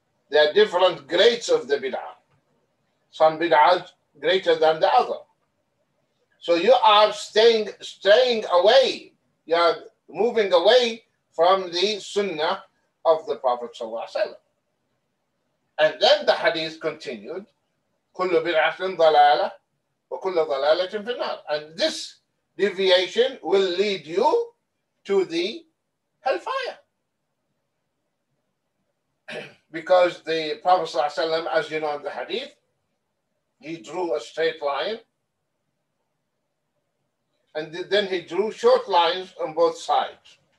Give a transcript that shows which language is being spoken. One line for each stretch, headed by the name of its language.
English: They are different grades of the bid'ah. Some bid'ahs greater than the other. So you are staying away. You are moving away from the sunnah of the Prophet ﷺ. And then the hadith continued,
Arabic: كُلُّ بِدْعَةٍ ضَلَالَةٍ وَكُلَّ ضَلَالَةٍ فِي النَّارِ.
English: And this deviation will lead you to the hellfire. Because the Prophet ﷺ, as you know in the hadith, he drew a straight line and then he drew short lines on both sides.